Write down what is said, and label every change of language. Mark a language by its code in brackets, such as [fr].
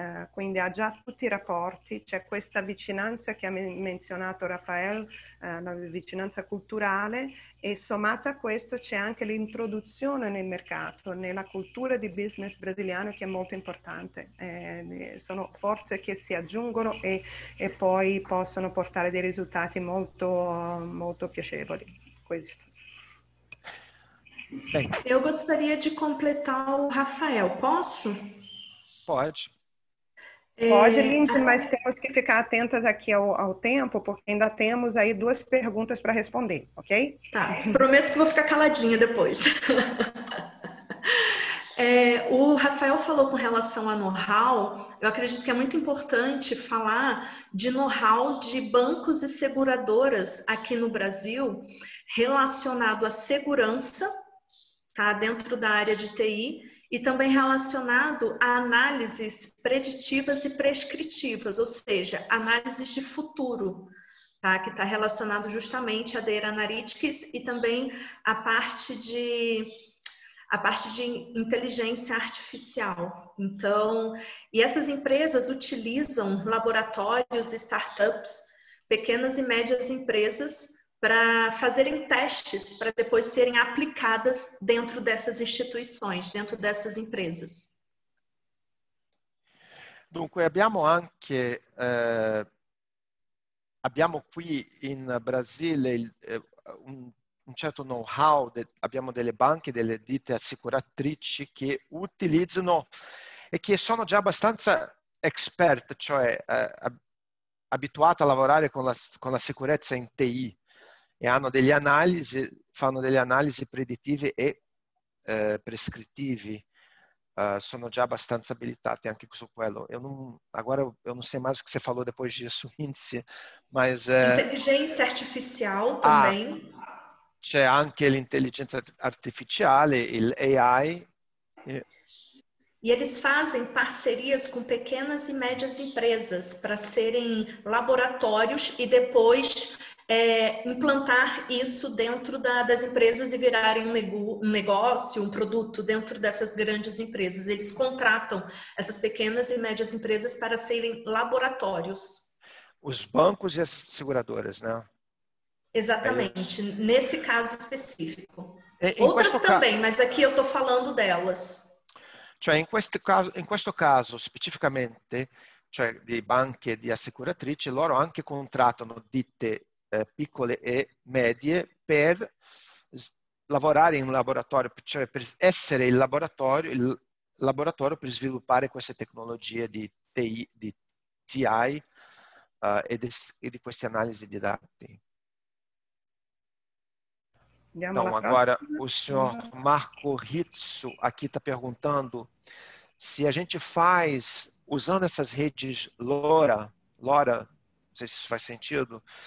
[it] Quindi ha già tutti i rapporti, c'è questa vicinanza che ha menzionato Rafael, la vicinanza culturale, e sommata a questo c'è anche l'introduzione nel mercato, nella cultura di business brasiliano, che è molto importante. Sono forze che si aggiungono e poi possono portare dei risultati molto, molto piacevoli. Questo. [pt] Io gostaria di completare o Rafael, posso? Pode. Pode, Lindsay, mas temos que ficar atentas aqui ao tempo, porque ainda temos aí duas perguntas para responder, ok? Tá, prometo que vou ficar caladinha depois. O Rafael falou com relação a know-how, eu acredito que é muito importante falar de know-how de bancos e seguradoras aqui no Brasil, relacionado à segurança, tá, dentro da área de TI, e também relacionado a análises preditivas e prescritivas, ou seja, análises de futuro, tá? Que está relacionado justamente a Data Analytics e também a parte de inteligência artificial. Então, e essas empresas utilizam laboratórios, startups, pequenas e médias empresas, para fazerem testes, para depois serem aplicadas dentro dessas instituições, dentro dessas empresas. [it] Dunque, abbiamo anche, abbiamo qui in Brasile un certo know-how, abbiamo delle banche, delle ditte assicuratrici che utilizzano e che sono già abbastanza expert, cioè abituate a lavorare con la sicurezza in TI. E hanno delle analisi, fanno delle analisi predittive e prescrittive sono già abbastanza abilitate anche su quello. [pt] Eu não, agora eu não sei mais o que você falou depois disso, índice, mas... Inteligência artificial também. [it] C'è anche l'intelligenza artificiale, il AI. [pt] E eles fazem parcerias com pequenas e médias empresas para serem laboratórios e depois implantar isso dentro das empresas e virarem um negócio, um produto dentro dessas grandes empresas. Eles contratam essas pequenas e médias empresas para serem laboratórios. Os bancos e as seguradoras, né? Exatamente, nesse caso específico. Outras também, mas aqui eu estou falando delas. [it] Cioè, in questo caso specificamente, cioè di banche e di assicuratrici, loro anche contrattano ditte piccole e medie per lavorare in laboratorio, cioè per essere il laboratorio per sviluppare queste tecnologie di TI, di TI e di queste analisi di dati. [pt] Então, agora o senhor Marco Rizzo aqui está perguntando se a gente faz, usando essas redes LoRa, não sei se isso faz sentido,